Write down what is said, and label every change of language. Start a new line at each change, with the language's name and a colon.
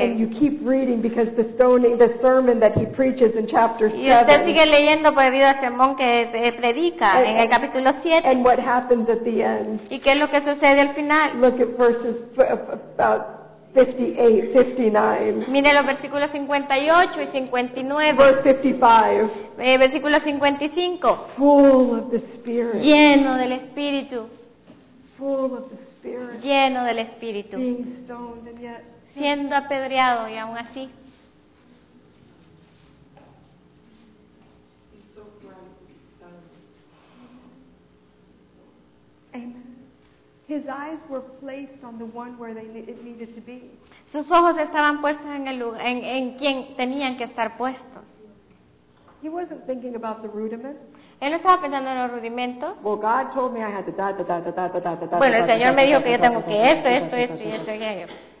English: And you keep reading because the stoning, the sermon that he preaches in chapter 7.
Spanish: Y usted sigue leyendo por el sermón que predica en el capítulo 7.
English: And what happens at the end?
Spanish: ¿Y qué es lo que sucede al final?
English: Look at verses about 58, 59.
Spanish: Mire los versículos 58 y 59.
English: Verse 55.
Spanish: Versículo 55.
English: Full of the Spirit.
Spanish: Lleno del Espíritu.
English: Full of the Spirit.
Spanish: Lleno del Espíritu.
English: Being stoned and yet.
Spanish: Siendo apedreado y aún así.
English: His eyes were placed on the one where they it needed to be.
Spanish: Sus ojos estaban puestos en el lugar, en quien tenían que estar puestos.
English: He wasn't thinking about the rudiments.
Spanish: Él no estaba pensando en los rudimentos.
English: Well, God told me I had to da da da da da da da da.
Spanish: Bueno, el Señor me dijo que yo tengo que esto.